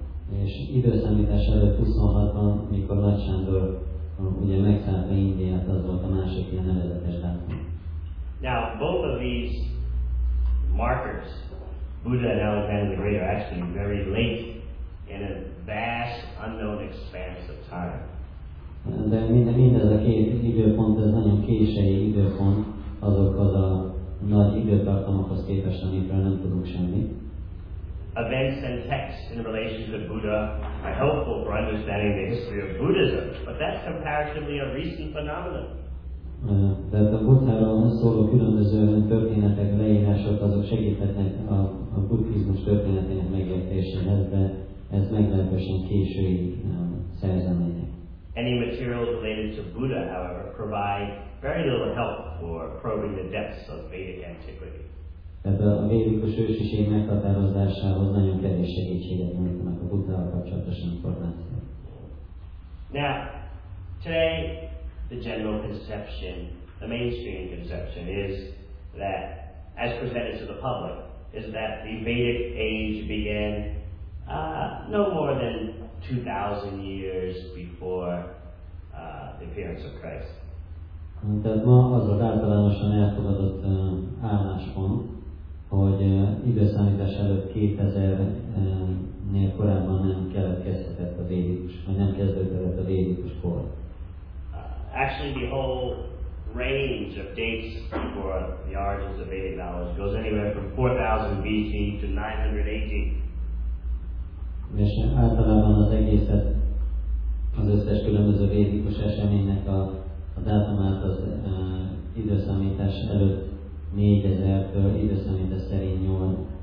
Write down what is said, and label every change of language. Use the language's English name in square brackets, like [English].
[Hungarian] És időszámítás előtt 26-ban, mikor Nagy Sándor ugye megszállta Indiát, az volt a másik ilyen nevezetes dátum. [English] Now, both of these markers, Buddha and Alexander the Great, are actually very late in a vast, unknown expanse of time. [Hungarian] De mindez a két időpont, ez nagyon késői időpont azokhoz a nagy időtartamokhoz képest, amikről nem tudunk semmit. [English] Events and texts in relation to the Buddha are helpful for understanding the history of Buddhism, but that's comparatively a recent phenomenon. [Hungarian] Tehát a Buddháról szóló különböző történetek, leírások, azok segíthetnek a buddhizmus történetének megértésében, de ez meglehetősen késői szerzemények. [English] Any materials related to Buddha, however, provide very little help for probing the depths of Vedic antiquity. [Hungarian] Tehát a védikus ősiség meghatározásához nagyon kevés segítséget nyújtanak a Buddhával kapcsolatos információk. [English] Now, today, the general conception, the mainstream conception, is that, as presented to the public, is that the Vedic age began no more than 2,000 years before the appearance of Christ. [Hungarian] Tehát ma az az általánosan elfogadott álláspont, hogy időszámítás előtt 2000-nél korábban nem keletkezhetett a védikus, vagy nem kezdődött a védikus kor. [English] Actually, the whole range of dates for the origins of Vedic knowledge goes anywhere from 4000 BC to 980. [Hungarian] És általában az egészet, az összes különböző védikus eseménynek a dátumát az időszámítás előtt 4000-től időszámítás szerint 8000.